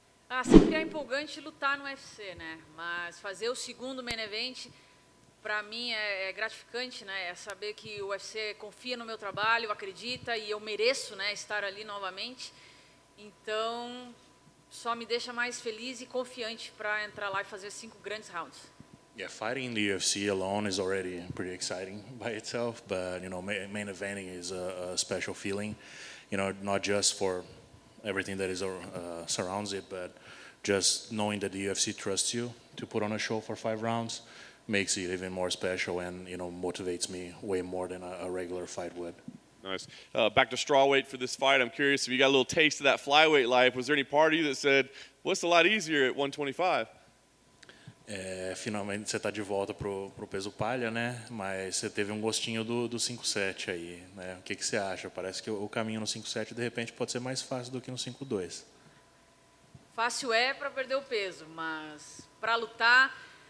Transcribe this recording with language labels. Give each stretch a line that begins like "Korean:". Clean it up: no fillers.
Portuguese: Ah, sempre é empolgante lutar no UFC, né? Mas fazer o segundo main event... Para mim é gratificante, né? É saber que o UFC confia no meu trabalho, acredita e eu mereço, né, estar ali novamente. Então, só me deixa mais feliz e confiante para entrar lá e fazer 5 grandes rounds.
English: Yeah, fighting in the UFC alone is already pretty exciting by itself, but you know, main eventing is a special feeling, you know, not just for everything that is surrounds it, but just knowing that the UFC trusts you to put on a show for 5 rounds. Makes it even more special and, you know, motivates me way more than a regular fight would. Nice. Back to strawweight for this fight. I'm curious if you got a little taste of that flyweight life. Was there any part of you that said, well, it's a lot easier at 125?
Portuguese: Finalmente você está de volta pro peso palha, né? Mas você teve gostinho do 5'7 aí, né? O que você acha? Parece que o caminho no 5'7 de repente pode ser mais fácil do que no 5'2. Fácil é para perder o peso, mas para lutar...